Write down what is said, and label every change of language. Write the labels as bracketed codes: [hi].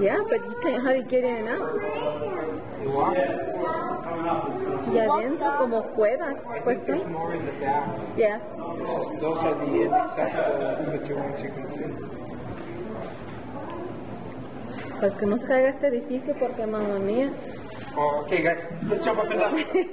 [en] Yeah, but you can't hardly get in and out. You walk? [es] Y adentro como cuevas. [en] I think there's more in the back. Yeah. Those are the accessible to the ones you can see. [es] Pues que no se caiga este edificio porque, mamma mia. [en] Oh, okay, guys, let's jump up and down.